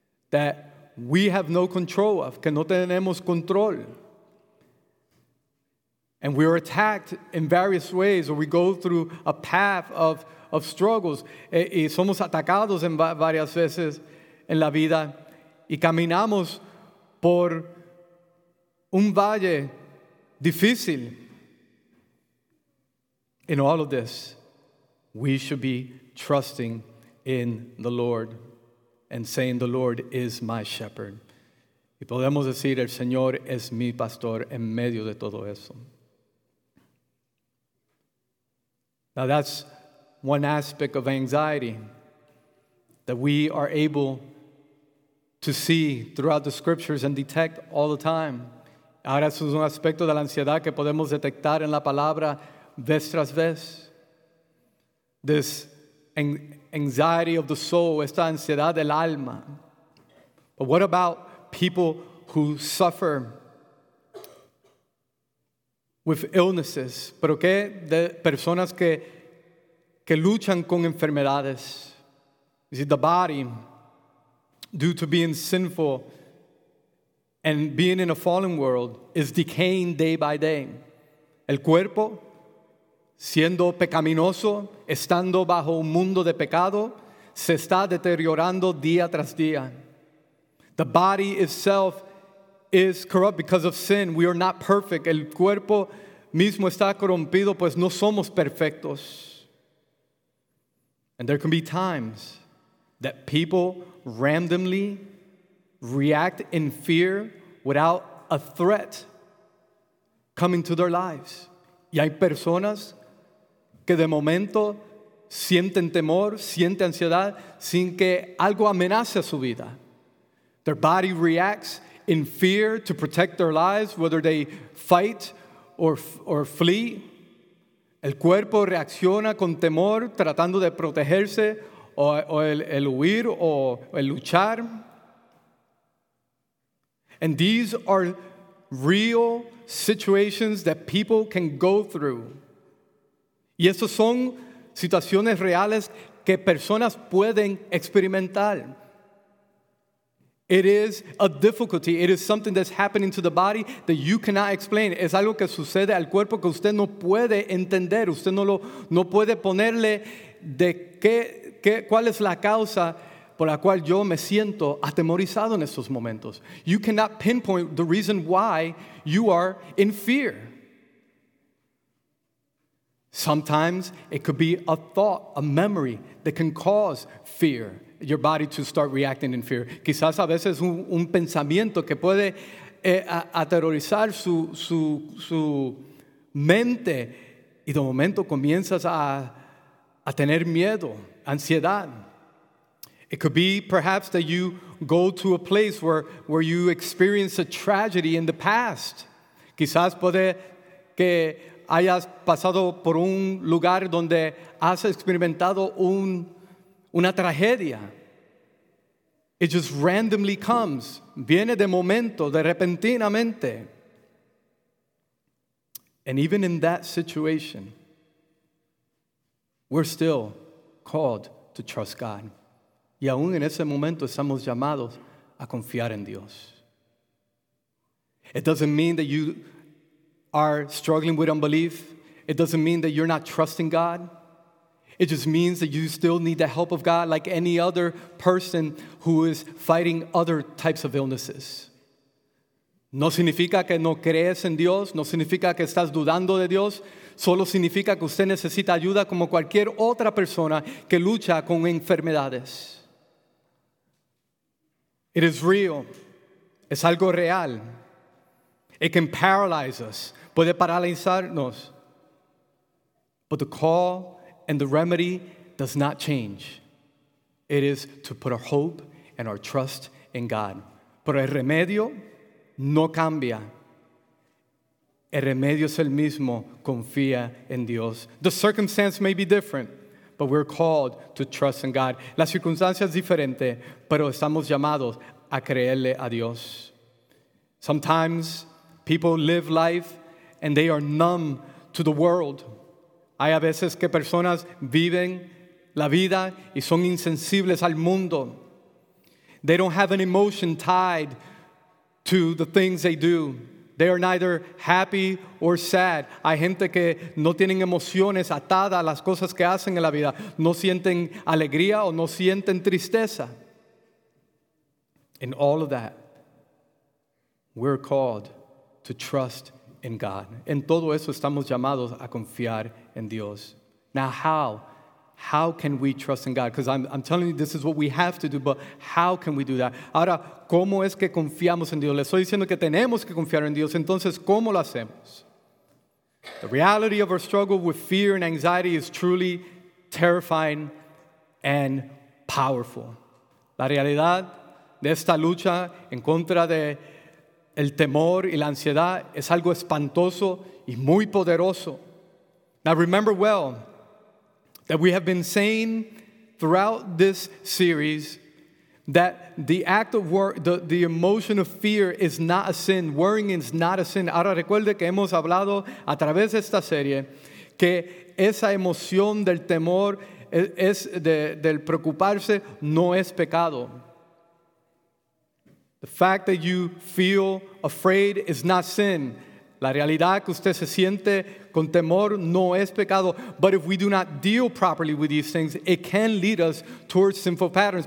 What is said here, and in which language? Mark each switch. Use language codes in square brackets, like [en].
[en] That we have no control of. [es] Que no tenemos control. [en] And we are attacked in various ways, or we go through a path of struggles, [es] y somos atacados en varias veces en la vida, y caminamos por un valle difícil. [en] In all of this, we should be trusting in the Lord and saying, the Lord is my shepherd. [es] Y podemos decir, el Señor es mi pastor en medio de todo eso. [en] Now that's one aspect of anxiety that we are able to see throughout the scriptures and detect all the time. [es] Ahora es un aspecto de la ansiedad que podemos detectar en la palabra vez tras vez. [en] This anxiety of the soul, [es] esta ansiedad del alma. [en] But what about people who suffer with illnesses? [es] Pero qué de personas que luchan con enfermedades. [en] You see, the body, due to being sinful and being in a fallen world, is decaying day by day. [es] El cuerpo, siendo pecaminoso, estando bajo un mundo de pecado, se está deteriorando día tras día. [en] The body itself is corrupt because of sin. We are not perfect. [es] El cuerpo mismo está corrompido, pues no somos perfectos. [en] And there can be times that people randomly react in fear without a threat coming to their lives. [es] Y hay personas que de momento sienten temor, sienten ansiedad, sin que algo amenace a su vida. [en] Their body reacts in fear to protect their lives, whether they fight or flee. [es] El cuerpo reacciona con temor, tratando de protegerse, o el huir, o el luchar. [en] And these are real situations that people can go through. [es] Y esas son situaciones reales que personas pueden experimentar. [en] It is a difficulty. It is something that's happening to the body that you cannot explain. [es] Es algo que sucede al cuerpo que usted no puede entender. Usted no puede ponerle de qué cuál es la causa por la cual yo me siento atemorizado en estos momentos. [en] You cannot pinpoint the reason why you are in fear. Sometimes it could be a thought, a memory that can cause fear, your body to start reacting in fear. [es] Quizás a veces un pensamiento que puede aterrorizar su mente, y de momento comienzas a tener miedo, ansiedad. [en] It could be perhaps that you go to a place where you experience a tragedy in the past. [es] Quizás puede que hayas pasado por un lugar donde has experimentado una tragedia. [en] It just randomly comes. [es] Viene de momento, de repentinamente. [en] And even in that situation, we're still called to trust God. [es] Y aún en ese momento estamos llamados a confiar en Dios. [en] It doesn't mean that you are struggling with unbelief. It doesn't mean that you're not trusting God. It just means that you still need the help of God like any other person who is fighting other types of illnesses. [es] No significa que no crees en Dios. No significa que estás dudando de Dios. Solo significa que usted necesita ayuda como cualquier otra persona que lucha con enfermedades. [en] It is real. [es] Es algo real. [en] It can paralyze us. [es] Puede paralizarnos. [en] But the call and the remedy does not change. It is to put our hope and our trust in God. [es] Pero el remedio no cambia. El remedio es el mismo. Confía en Dios. [en] The circumstance may be different, but we're called to trust in God. [es] La circunstancia es diferente, pero estamos llamados a creerle a Dios. [en] Sometimes people live life and they are numb to the world. [es] Hay a veces que personas viven la vida y son insensibles al mundo. [en] They don't have an emotion tied to the things they do. They are neither happy or sad. [es] Hay gente que no tienen emociones atadas a las cosas que hacen en la vida. No sienten alegría o no sienten tristeza. [en] In all of that, we're called to trust in God. [es] En todo eso estamos llamados a confiar en Dios. [en] Now how? How can we trust in God? Because I'm telling you, this is what we have to do, but how can we do that? [es] Ahora, ¿cómo es que confiamos en Dios? Le estoy diciendo que tenemos que confiar en Dios. Entonces, ¿cómo lo hacemos? [en] The reality of our struggle with fear and anxiety is truly terrifying and powerful. [es] La realidad de esta lucha en contra de el temor y la ansiedad es algo espantoso y muy poderoso. [en] Now, remember well that we have been saying throughout this series that the act of the emotion of fear is not a sin. Worrying is not a sin. [es] Ahora recuerde que hemos hablado a través de esta serie que esa emoción del temor es del preocuparse no es pecado. [en] The fact that you feel afraid is not sin. [es] La realidad que usted se siente con temor no es pecado. [en] But if we do not deal properly with these things, it can lead us towards sinful patterns.